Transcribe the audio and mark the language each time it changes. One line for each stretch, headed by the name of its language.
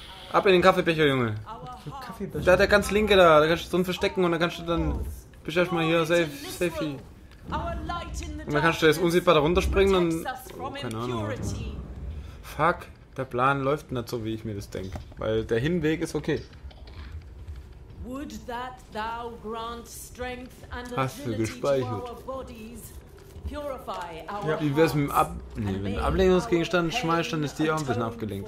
German: Ab in den Kaffeebecher, Junge. Kaffeebecher? Da der ganz linke da, da kannst du drin verstecken und dann kannst du dann. Bist du erstmal hier safe. Und dann kannst du jetzt unsichtbar da runterspringen und. Oh, keine Ahnung. Warte mal. Fuck, der Plan läuft nicht so, wie ich mir das denke. Weil der Hinweg ist okay.
English: Would that thou grant strength and ability to our bodies purify our hearts?
German: Wie wär's mit dem wenn du Ablenkungsgegenstand schmeißt, dann ist die auch ein bisschen abgelenkt.